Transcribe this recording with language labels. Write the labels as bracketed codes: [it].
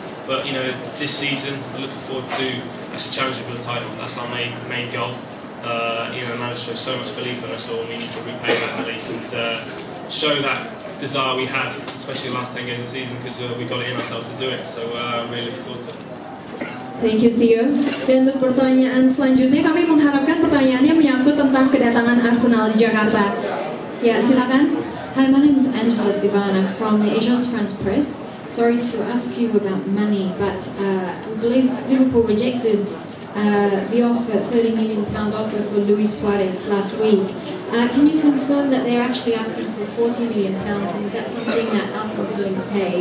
[en] But, you know, this season, I'm looking forward to us challenging for the title. That's our main goal. You know, managed to show so much belief in us all, and we need to repay that belief and show that desire we had, especially the last 10 games of the season, because we got it in ourselves to do it. So I'm really looking forward to it. Thank you, Theo. [id] Dan untuk pertanyaan selanjutnya, kami mengharapkan pertanyaannya menyangkut tentang kedatangan Arsenal di Jakarta. Ya, silakan. [en] Hi, my name is Angela Divana from the Agence France Presse. Sorry to ask you about money, but we believe Liverpool rejected the offer, £30 million offer for Luis Suarez last week. Can you confirm that they're actually asking for £40 million, and is that something that Arsenal's going to pay?